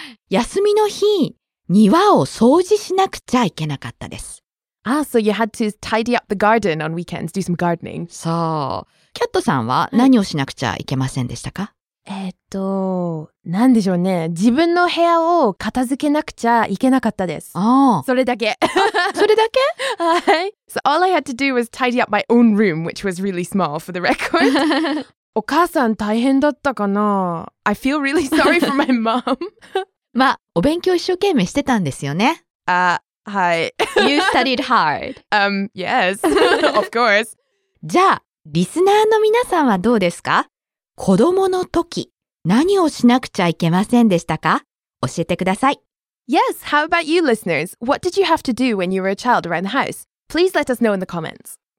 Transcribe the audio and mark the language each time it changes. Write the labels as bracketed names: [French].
[Japanese] 休みの日、庭を掃除しなくちゃいけなかったです。 [English] Ah, so you had to tidy up the garden on weekends, do some gardening. [Japanese] そう。キャットさんは何をしなくちゃいけませんでしたか？なんでしょうね。自分の部屋を片付けなくちゃいけなかったです。ああ。それだけ。それだけ？はい。 [English] So all I had to do was tidy up my own room, which was really small for the record. [Japanese] お母さん大変だったかな？ [English] I feel really sorry for my mom. [Japanese] まあ、お勉強一生懸命してたんですよね。はい。 [English] You studied hard. Yes, of course. [Japanese] じゃあ、リスナーの皆さんはどうですか？子供の時、何をしなくちゃいけませんでしたか？教えてください。 [English] Yes, how about you, listeners? What did you have to do when you were a child around the house? Please let us know in the comments.